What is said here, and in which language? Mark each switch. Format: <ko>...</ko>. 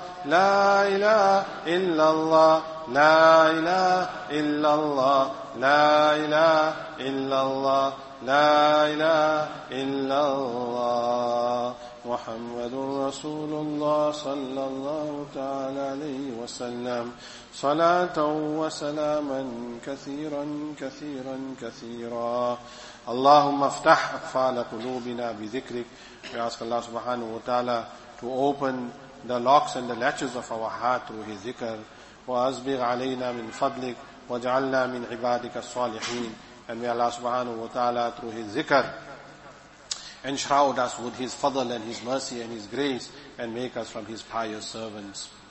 <ar>لا إله إلا الله لا إله إلا الله لا إله إلا الله لا إله إلا الله محمد رسول الله صلى الله تعالى عليه وسلم صلاة وسلاما كثيرا كثيرا كثيرا اللهم افتح أقفال قلوبنا بذكرك.</ar> <en>We ask Allah subhanahu wa ta'ala to open the locks and the latches of our heart through His dhikr.</en> <ar>وأزبغ علينا من فضلك وجعلنا من عبادك الصالحين.</ar> <en>And may Allah subhanahu wa ta'ala through His dhikr enshroud us with His fadl and His mercy and His grace and make us from His pious servants.</en>